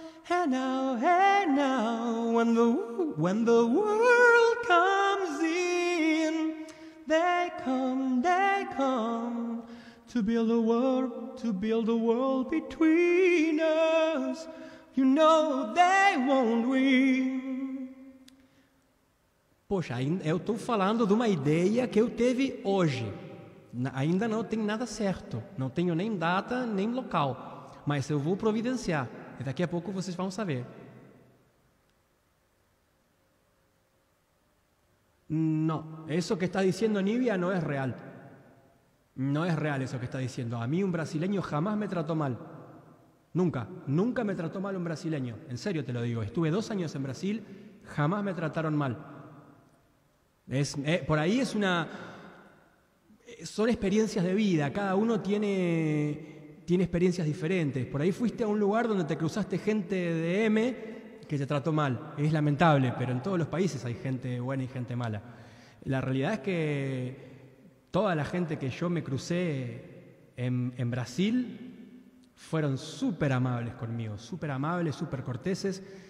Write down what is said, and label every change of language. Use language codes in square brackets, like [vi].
[en] Hey now, when the world comes in, they come to build a world between us. You know they won't win. [pt] Poxa, eu tô falando de uma ideia que eu tive hoje. Ainda não tem nada certo, não tenho nem data, nem local, mas eu vou providenciar, e daqui a pouco vocês vão saber. Não, isso que está dizendo Nívia não é real. Não é real isso que está dizendo. A mim um brasileiro jamais me tratou mal. Nunca me tratou mal um brasileiro. [es] Em sério, te lo digo, estuve 2 anos em Brasil, jamais me trataram mal. Por aí é uma... son experiencias de vida, cada uno tiene experiencias diferentes. Por ahí fuiste a un lugar donde te cruzaste gente de M que te trató mal. Es lamentable, pero en todos los países hay gente buena y gente mala. La realidad es que toda la gente que yo me crucé en Brasil fueron súper amables conmigo, súper amables, súper corteses.